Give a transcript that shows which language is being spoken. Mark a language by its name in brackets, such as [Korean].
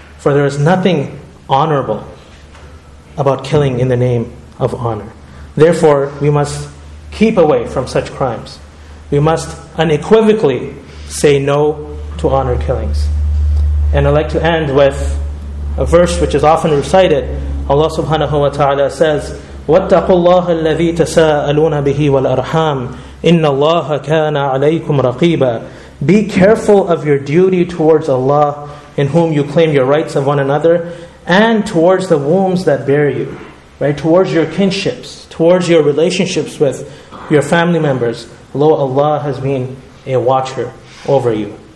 [English] For there is nothing honorable about killing in the name of honor. Therefore, we must keep away from such crimes. We must unequivocally say no to honor killings. And I'd like to end with a verse which is often recited. Allah subhanahu wa ta'ala says, [Arabic] وَاتَّقُوا اللَّهَ الَّذِي تَسَاءَلُونَ بِهِ وَالْأَرْحَامِ إِنَّ اللَّهَ كَانَ عَلَيْكُمْ رَقِيبًا. [English] Be careful of your duty towards Allah, in whom you claim your rights of one another, and towards the wombs that bear you, right? Towards your kinships, towards your relationships with your family members. Lo, Allah has been a watcher over you.